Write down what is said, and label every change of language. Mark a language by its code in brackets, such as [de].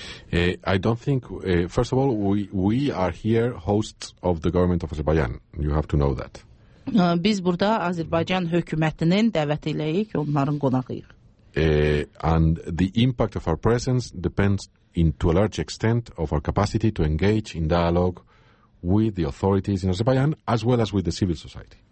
[en] I don't think, first of all, we are here hosts of the government of Azerbaijan. You have to know that. [az] Biz burada Azerbaycan hökumətinin dəvətiyləyik, onların qonağıyıq. [en] And the impact of our presence depends in, to a large extent of our capacity to engage in dialogue with the authorities in Azerbaijan as well as with the civil society.